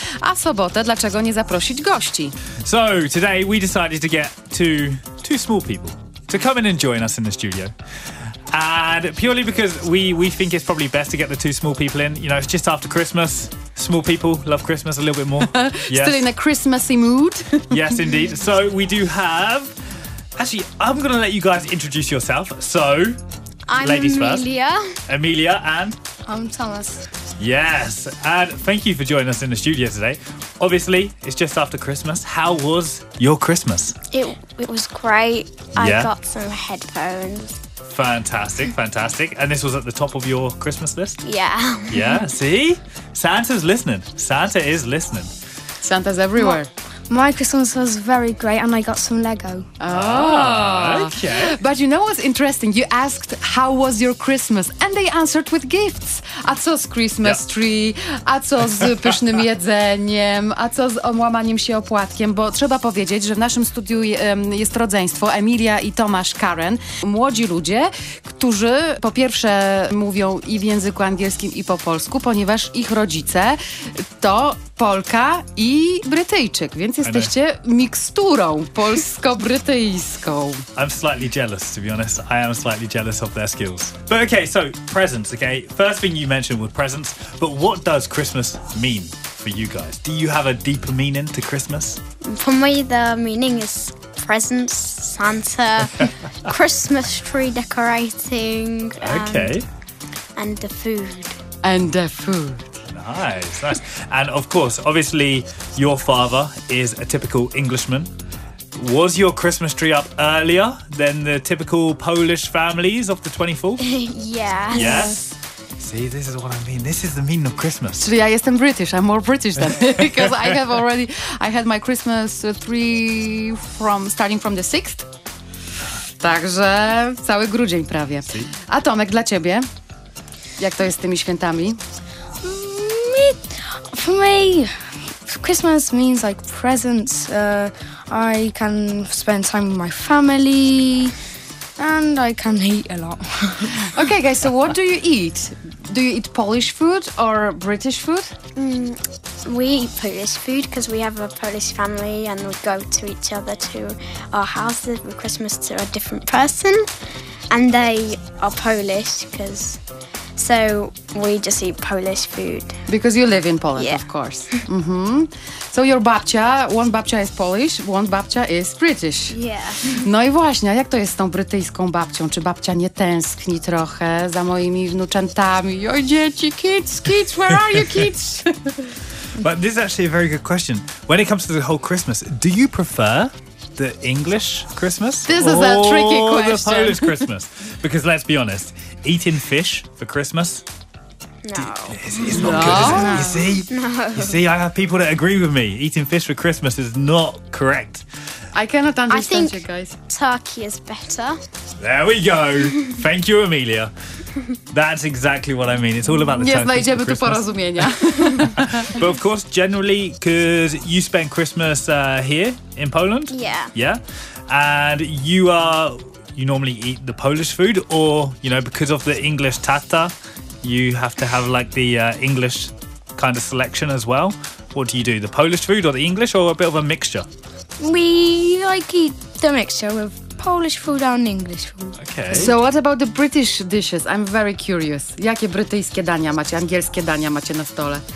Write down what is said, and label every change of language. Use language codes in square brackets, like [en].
[pl] A sobotę dlaczego nie zaprosić gości? [en] So, today we decided to get two small people to come in and join us in the studio. And purely because we think it's probably best to get the two small people in. You know, it's just after Christmas. Small people love Christmas a little bit more. Yes. Still in a Christmassy mood. Yes, indeed. So we do have... Actually, I'm going to let you guys introduce yourself. So, I'm ladies Amelia. First. Amelia and... I'm Thomas. Yes. And thank you for joining us in the studio today. Obviously, it's just after Christmas. How was your Christmas? It was great. Yeah. I got some headphones. Fantastic, fantastic. And this was at the top of your Christmas list? Yeah. Yeah, see? Santa's listening. Santa is listening. Santa's everywhere. My Christmas was very great and I got some Lego. Oh, okay. But you know what's interesting? You asked how was your Christmas and they answered with gifts. [pl] A co z [en] Christmas tree? [pl] A co z pysznym jedzeniem? A co z omłamaniem się opłatkiem? Bo trzeba powiedzieć, że w naszym studiu jest rodzeństwo, Emilia i Tomasz Karen. Młodzi ludzie, którzy po pierwsze mówią i w języku angielskim i po polsku, ponieważ ich rodzice to... Polka i Brytyjczyk, więc jesteście miksturą polsko-brytyjską. [en] I'm slightly jealous, to be honest. I am slightly jealous of their skills. But okay, so presents, okay? First thing you mentioned was presents, but what does Christmas mean for you guys? Do you have a deeper meaning to Christmas? For me, the meaning is presents, Santa, Christmas tree decorating. Okay. And the food. And the food. Nice, nice. And of course, obviously, your father is a typical Englishman. Was your Christmas tree up earlier than the typical Polish families of the 24th? Yes. Yes. See, this is what I mean. This is the meaning of Christmas. [pl] Czyli ja jestem British. [en] I'm more British than because I have already, I had my Christmas tree from starting from the 6th. [pl] Także cały grudzień prawie. [en] See? [pl] A Tomek, dla ciebie, jak to jest z tymi świętami? [en] For me, Christmas means like presents. I can spend time with my family and I can eat a lot. Okay, guys, so what do you eat? Do you eat Polish food or British food? We eat Polish food because we have a Polish family and we go to each other to our houses for Christmas to a different person. And they are Polish because... So we just eat Polish food. Because you live in Poland, yeah. Of course. Mm-hmm. So your babcia, one babcia is Polish, one babcia is British. Yeah. [pl] No i właśnie, jak to jest z tą brytyjską babcią? Czy babcia nie tęskni trochę za moimi wnuczętami? Oj, dzieci, [en] kids, where are you, kids? But this is actually a very good question. When it comes to the whole Christmas, do you prefer... the English Christmas? This is a tricky question. Or the Polish Christmas? Because let's be honest, eating fish for Christmas? No. It's not good, is it? You see? No. You see, I have people that agree with me. Eating fish for Christmas is not correct. I cannot understand I think you guys. Turkey is better. There we go. Thank you, Amelia. That's exactly what I mean. It's all about the turkey. [pl] Nie znajdziemy tu porozumienia. [en] But of course, generally, because you spent Christmas here in Poland. Yeah. Yeah. And you normally eat the Polish food, or, you know, because of the English tata, you have to have like the English kind of selection as well. What do you do? The Polish food or the English, or a bit of a mixture? We like eat the mixture of Polish food and English food. Okay. So what about the British dishes? I'm very curious. [pl] Jakie brytyjskie dania macie, angielskie dania macie na stole?